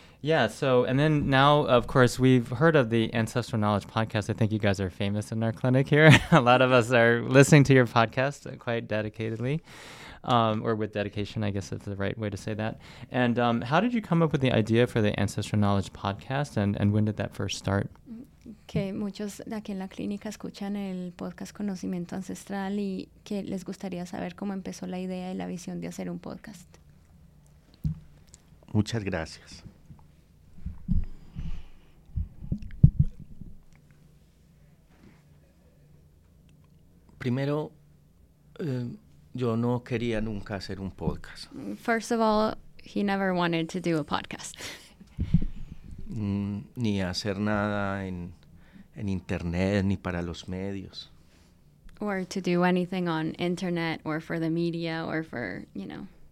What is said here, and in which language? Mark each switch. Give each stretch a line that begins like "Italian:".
English: Yeah, so, and then now, of course, we've heard of the Ancestral Knowledge Podcast. I think you guys are famous in our clinic here. A lot of us are listening to your podcast quite dedicatedly, or with dedication, I guess is the right way to say that. And how did you come up with the idea for the Ancestral Knowledge Podcast, and when did that first start?
Spanish: Que muchos de aquí en la clínica escuchan el podcast Conocimiento Ancestral y que les gustaría saber cómo empezó la idea y la visión de hacer un podcast. Muchas gracias. Primero, yo no quería nunca hacer un podcast.
English: First of all, he never wanted to do a podcast.
Spanish: Ni hacer nada en internet, ni para los medios.
English: Or to do anything on internet, or for the media, or for, you know.